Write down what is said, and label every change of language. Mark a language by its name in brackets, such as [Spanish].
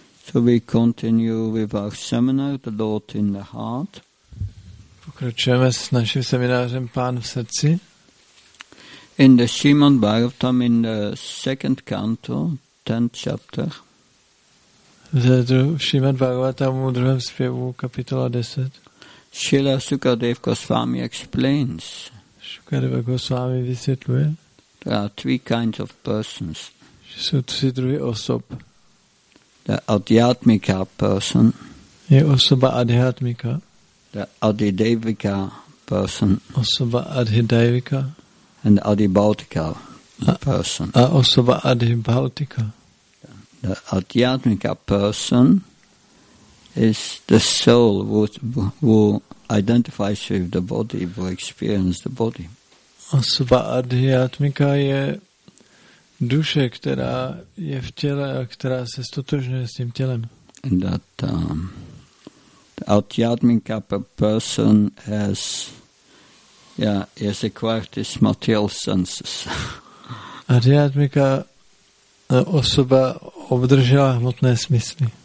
[English] So we continue with our seminar, The Lord in the Heart. [Czech] Pokračujeme s naším seminářem Pán v srdci. [English] In the Srimad Bhagavatam, in the second canto, 10th chapter. [Czech] V Srimad Bhagavatam, v druhém zpěvu, kapitola 10. [English] Srila Sukadeva Goswami explains. [Czech] Sukadeva Goswami vysvětluje. [English] There are three kinds of persons. [Czech] Jsou tři druhy osob. [English] The adhyatmika person. [Czech] Je osoba adhyatmika. [English] The adhidevika person. [Czech] Osoba adhidevika. [English] And adhibautika person. [Czech] A osoba adhibautika. [English] The adhyatmika person is the soul who identifies with the body, who experiences the body. [Czech] Osoba adhyatmika je duše, která je v těle a která se stotožňuje s tím tělem. [English] That the adhyatmika person has, has acquired his material senses. [Czech] Adhyatmika osoba obdržela hmotné smysly.